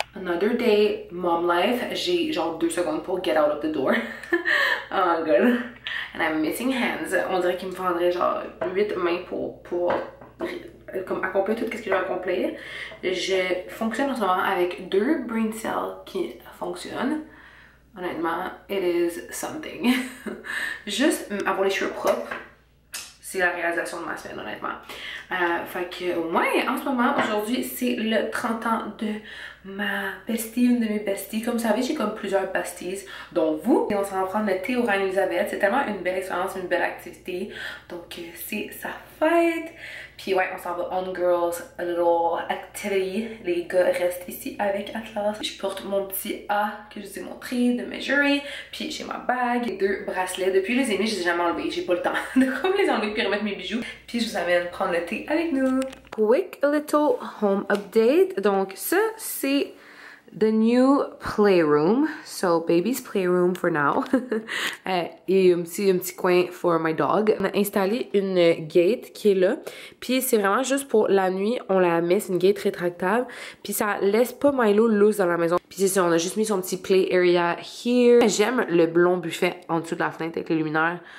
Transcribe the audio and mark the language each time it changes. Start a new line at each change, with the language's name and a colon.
English: Another day, mom life.
French: J'ai genre 2 secondes pour
English: get out of the door. Oh god. And I'm missing hands.
French: On dirait qu'il me faudrait genre 8 mains pour comme accomplir tout ce que j'ai accompli. Je fonctionne en ce moment avec 2 brain cells qui fonctionnent.
English: Honnêtement, it is something.
French: Juste avoir les cheveux propres, c'est la réalisation de ma semaine, honnêtement. Fait que, au moins, en ce moment, aujourd'hui, c'est le 30 ans de ma bestie, une de mes besties. Comme vous savez, j'ai comme plusieurs besties, dont vous. Et on s'en va prendre le thé au Reine Elisabeth. C'est tellement une belle expérience, une belle activité. Donc, c'est sa fête. Puis, ouais, on s'en va on girls,
English: a little activity.
French: Les gars restent ici avec Atlas. Je porte mon petit A que je vous ai montré de Measure. Puis, j'ai ma bague et 2 bracelets. Depuis, les aimer, je les ai jamais enlevés. J'ai pas le temps de comme les enlever puis remettre mes bijoux. Puis, je vous amène prendre le thé avec nous.
English: Quick little home update.
French: Donc, ça, c'est
English: the new playroom. So, baby's playroom for now.
French: Et un petit coin
English: for my dog.
French: On a installé une gate qui est là. Puis, c'est vraiment juste pour la nuit. On la met, c'est une gate rétractable. Puis, ça laisse pas Milo loose dans la maison. Puis, c'est ça, on a juste mis son petit
English: play area here.
French: J'aime le blond buffet en dessous de la fenêtre avec les luminaires.